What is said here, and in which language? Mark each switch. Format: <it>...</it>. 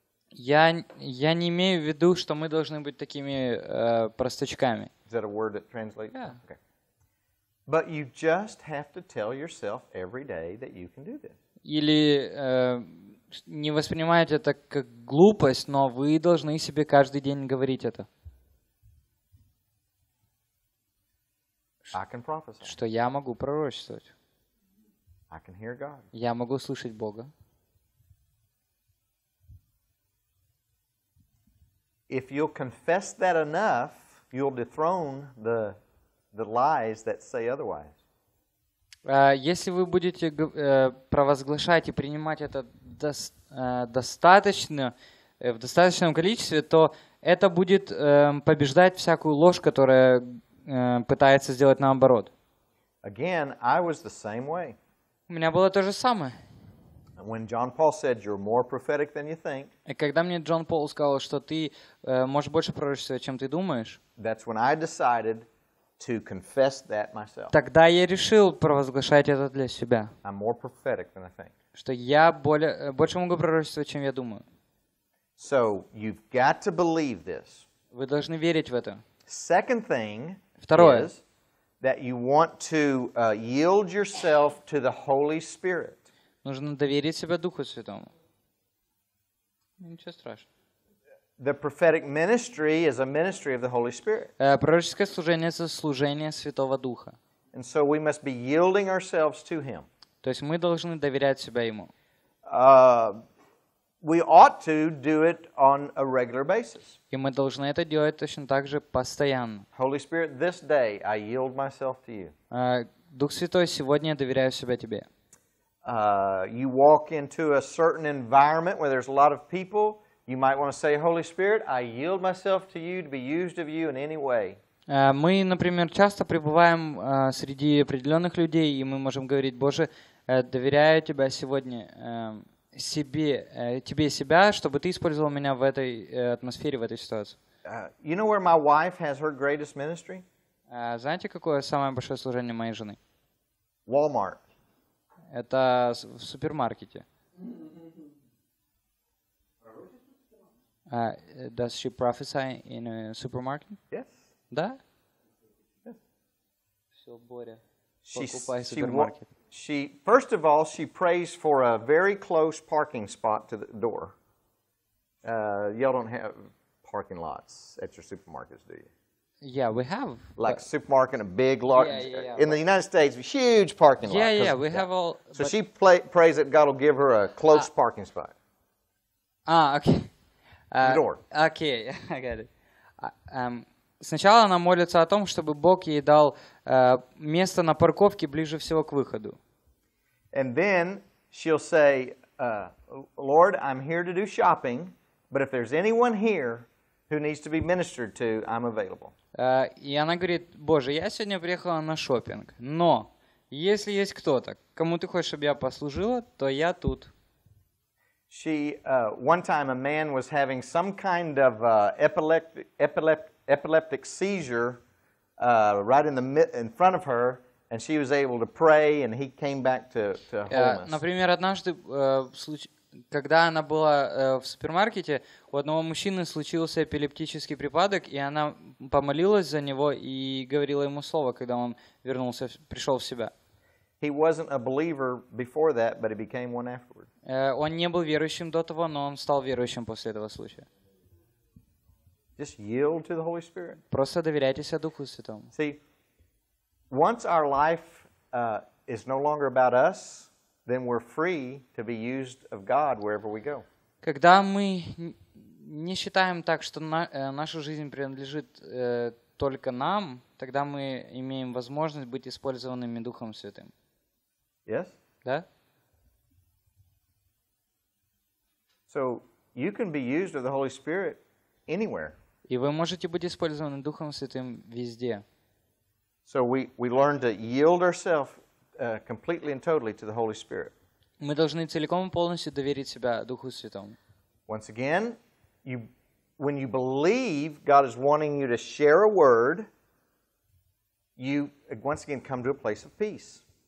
<ru>Я не имею в виду, что мы должны быть такими простачками.</ru> <en>Is that a word that translates? Yeah. Okay. But you just have to tell yourself every day that you can do this.</en> <ru>Или не воспринимайте это как глупость, но вы должны себе каждый день говорить это.</ru> <en>I can prophesy.</en> <ru>Что я могу пророчествовать.</ru> <en>I can hear God.</en> <ru>Я могу слышать Бога.</ru> <en>If you'll confess that enough, you'll dethrone the lies that say otherwise.</en> <ru>Если вы будете провозглашать и принимать это достаточно в достаточном количестве, то это будет побеждать всякую ложь, которая пытается сделать наоборот.</ru> <en>Again, I was the same way.</en> <ru>У меня было то же самое.</ru> <en>When John Paul said you're more prophetic than you think.</en> <ru>И когда мне Джон Пол сказал, что ты можешь больше пророчествовать, чем ты думаешь.</ru> <en>That's when I decided to confess that myself.</en> <ru>Тогда я решил провозглашать это для себя.</ru> <en>I'm more prophetic than I think.</en> <ru>Что я больше могу пророчествовать, чем я думаю.</ru> <en>So you've got to believe this.</en> <ru>Вы должны верить в это.</ru> <en>Second thing.</en> <ru>Второе.</ru> <en>Is that you want to yield yourself to the Holy Spirit.</en> <ru>Нужно доверить себя Духу Святому. Ничего страшного.</ru> <en>The prophetic ministry is a ministry of the Holy Spirit.</en> <ru>Пророческое служение — это служение Святого Духа.</ru> <en>And so we must be yielding ourselves to Him.</en> <ru>То есть мы должны доверять себя Ему.</ru> <en>We ought to do it on a regular basis.</en> <ru>И мы должны это делать точно так же постоянно.</ru> <en>Holy Spirit, this day I yield myself to you.</en> <ru>Дух Святой, сегодня я доверяю себя Тебе.</ru> <en>You walk into a certain environment where there's a lot of people, you might want to say, Holy Spirit, I yield myself to you to be used of you in any way.</en> <ru>Мы, например, часто пребываем среди определенных людей, и мы можем говорить, Боже, доверяю тебя сегодня тебе себя, чтобы ты использовал меня в этой атмосфере, в этой ситуации.</ru> <en>You know where my wife has her greatest ministry?</en> <ru>Знаете, какое самое большое служение моей жены?</ru> <en>Walmart.</en> <ru>Это в супермаркете.</ru> <en>Does she prophesy in a supermarket? Yes.</en> <ru>Да?</ru> <en>Yes.</en> <ru>Все, Боря, покупай супермаркет.</ru> <en>She, first of all, she prays for a very close parking spot to the door. Y'all don't have parking lots at your supermarkets, do you? Yeah, we have. Like a supermarket, a big lot. Yeah, yeah, yeah. In the United States, a huge parking lot. Yeah, yeah, we have all. So she prays that God will give her a close parking spot. Ah, okay. The door. Okay, yeah, I got it.</en> <ru>Сначала она молится о том, чтобы Бог ей дал место на парковке ближе всего к выходу.</ru> <en>And then she'll say, Lord, I'm here to do shopping, but if there's anyone here who needs to be ministered to, I'm available.</en> <ru>И она говорит, Боже, я сегодня приехала на шопинг, но если есть кто-то, кому ты хочешь, чтобы я послужила, то я тут.</ru> <en>She, one time a man was having some kind of epileptic seizure right in front of her, And she was able to pray, and he came back to wholeness.</en> <ru>Например, однажды, когда она была в супермаркете, у одного мужчины случился эпилептический припадок, и она помолилась за него и говорила ему слово, когда он вернулся, пришел в себя.</ru> <en>He wasn't a believer before that, but he became one afterward.</en> <ru>Он не был верующим до того, но он стал верующим после этого случая.</ru> <en>Just yield to the Holy Spirit.</en> <ru>Просто доверяйтесь Духу Святому.</ru> <en>See, once our life is no longer about us, then we're free to be used of God wherever we go.</en> <ru>Когда мы не считаем так, что наша жизнь принадлежит только нам, тогда мы имеем возможность быть использованными Духом Святым.</ru> <en>Yes?</en> <ru>Да?</ru> <en>So you can be used of the Holy Spirit anywhere.</en> <ru>И вы можете быть использованы Духом Святым везде.</ru> <en>So we learn to yield ourselves completely and totally to the Holy Spirit.</en> <ru>Мы должны целиком и полностью доверить себя Духу Святому.</ru> <en>Once again, when you believe God is wanting you to share a word, you once again come to a place of peace.</en>